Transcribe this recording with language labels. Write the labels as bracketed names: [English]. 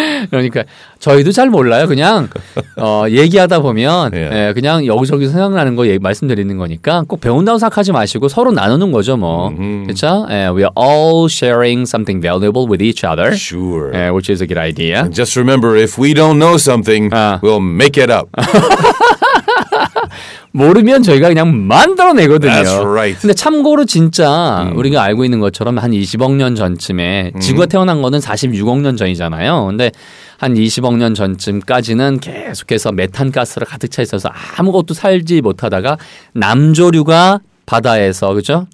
[Korean] 그러니까 저희도 잘 몰라요. 그냥 얘기하다 보면 yeah. 예, 그냥 여기저기 생각나는 거 말씀드리는 거니까 꼭 배운다고 생각하지 마시고 서로 나누는 거죠, 뭐. Mm-hmm. 그쵸? [English] 예, we are all sharing something valuable with each other. Sure. 예, which is a good idea. And just remember, if we don't know something, we'll make it up. [Korean] 모르면 저희가 그냥 만들어내거든요. [English] That's right. [Korean] 근데 참고로 진짜 우리가 알고 있는 것처럼 한 20억 년 전쯤에 지구가 태어난 거는 46억 년 전이잖아요. 근데 한 20억 년 전쯤까지는 계속해서 메탄 가스로 가득 차 있어서 아무것도 살지 못하다가 남조류가 바다에서 그죠?